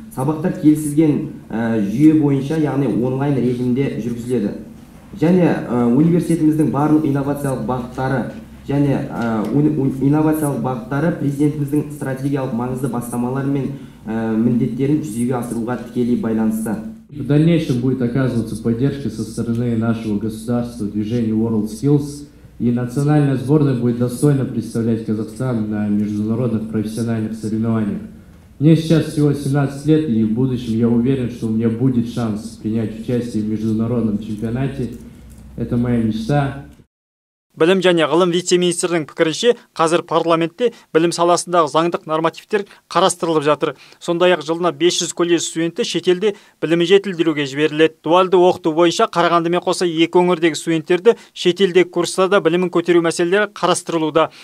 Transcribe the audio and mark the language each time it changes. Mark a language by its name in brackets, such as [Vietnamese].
[Kazakh] Сабақтар келісілген жүйе бойынша, яғни онлайн режимде жүргізіледі. Және университетіміздің барлық инновациялық бағыттары және инновациялық бағыттары президентіміздің стратегиялық маңызды бастамалары мен міндеттерін жүзеге асыруға тікелей байланысты. [Russian] В дальнейшем будет оказываться поддержка со стороны нашего государства, движения World Skills, и национальная сборная будет достойно представлять Казахстан на международных профессиональных соревнованиях. Мне сейчас всего 17 лет, и в будущем я уверен, что у меня будет шанс принять участие в международном чемпионате. Это моя мечта. [Kazakh] Білім және ғылым вице-министрінің пікірінше, қазір парламентте білім саласындағы заңдық нормативтер қарастырылып жатыр. Сондай-ақ жылына 500 колледж студенті шетелде білімін жетілдіруге жіберіледі. Дуальды оқыту бойынша Қарағандымен қоса екі өңірдегі студенттерді шетелде курстарда білімін көтеру мәселелері қарастырылуда.